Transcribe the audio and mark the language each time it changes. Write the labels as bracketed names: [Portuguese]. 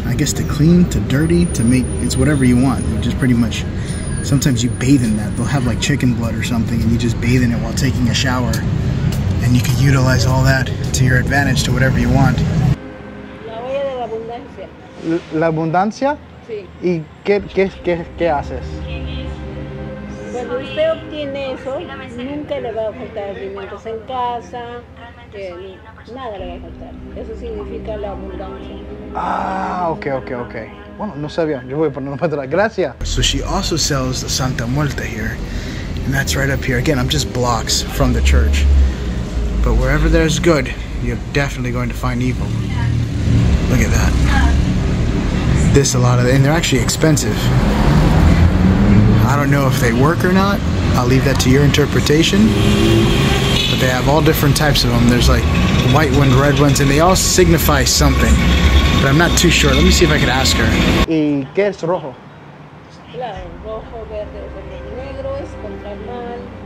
[English] I guess to clean, to dirty, to make, it's whatever you want, which is pretty much, sometimes you bathe in that. They'll have like chicken blood or something and you just bathe in it while taking a shower. And you can utilize all that to your advantage, to whatever you want. [Spanish] La olla de la abundancia. La abundancia? Sí. ¿Y qué haces? Cuando usted obtiene eso, nunca le va a faltar alimentos en casa, nada le va a faltar. Eso significa la abundancia. Ah, okay. Bueno, no sabía. Yo voy a poner una pedra. Gracias. [English] So she also sells the Santa Muerte here, and that's right up here. Again, I'm just blocks from the church. But wherever there's good, you're definitely going to find evil. Look at that. This a lot of, and they're actually expensive. I don't know if they work or not. I'll leave that to your interpretation. But they have all different types of them. There's like white ones, red ones, and they all signify something. But I'm not too sure. Let me see if I could ask her. [Spanish] ¿Y qué es rojo? Claro, rojo, verde, negro es contra el mal.